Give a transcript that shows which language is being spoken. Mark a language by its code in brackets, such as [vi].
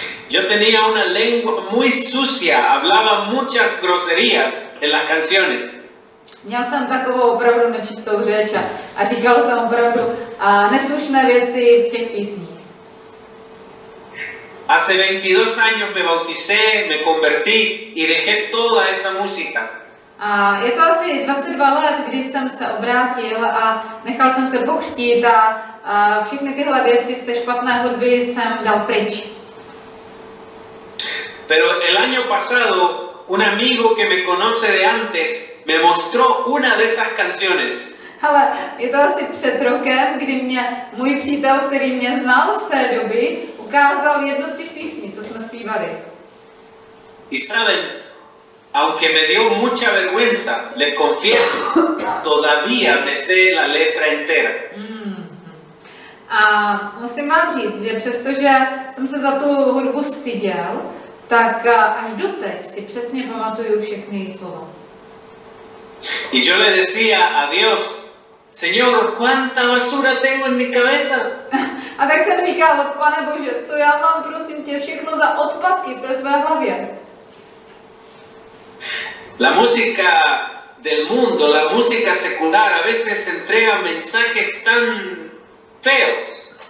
[es] Yo tenía una lengua muy sucia, hablaba muchas groserías en las canciones. [cs] Měl jsem takovou opravdu nečistou řeč a říkal jsem opravdu neslušné věci v těch písních. [es] Hace 22 años me bauticé, me convertí y dejé toda esa música. [cs] A je to asi 22 let, kdy jsem se obrátil a nechal jsem se pokřtít a všechny tyhle věci z té špatné hudby jsem dal pryč. [es] Pero el año pasado un amigo que me conoce de antes me mostró una de esas canciones. [cs] Ale je to asi před rokem, kdy mě můj přítel, který mě znal z té doby, ukázal jednu z těch písní, co jsme zpívali. [es] Y saben, aunque me dio mucha vergüenza, le confieso, todavía me sé la letra entera. [cs] A musím vám říct, že přestože jsem se za tu hudbu styděl, tak až doteď si přesně pamatuju všechny její slova. [es] Y yo le decía a Dios, Señor, cuánta basura tengo en mi cabeza. [cs] A tak jsem říkal, Pane Bože, co já mám, prosím tě, všechno za odpadky v té své hlavě. [es] La música del mundo, la música secular, a veces entrega mensajes tan feos.